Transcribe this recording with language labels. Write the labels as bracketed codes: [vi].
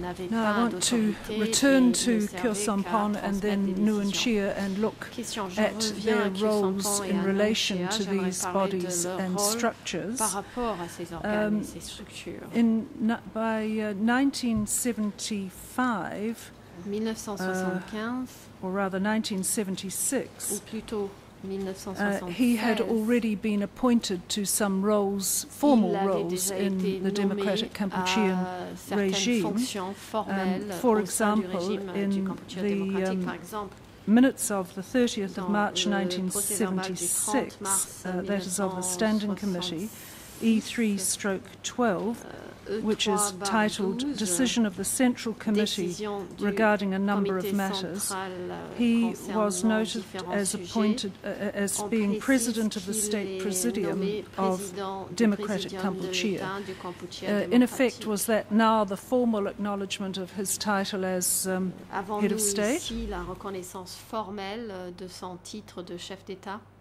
[en] Now I want to return to Kyosampon and then Nguyen Chia and look [fr] question, [en] at their roles in relation to these bodies and structures. [fr] Par rapport à ces organes et ces structures. [en] By 1975, 1975, or rather 1976, [fr] ou plutôt 1976 [en] he had already been appointed to some roles, formal roles, in the democratic Kampuchean regime. For example, in the minutes of the 30th of March 1976, that is of the Standing Committee, E3-12, which is titled Decision of the Central Committee Regarding a Number of Matters, he was noted as appointed as being President of the State Presidium of Democratic Kampuchea. In effect, was that now the formal acknowledgement of his title as Head of State? [fr] Avons-nous ici la reconnaissance formelle de son titre de chef d'État?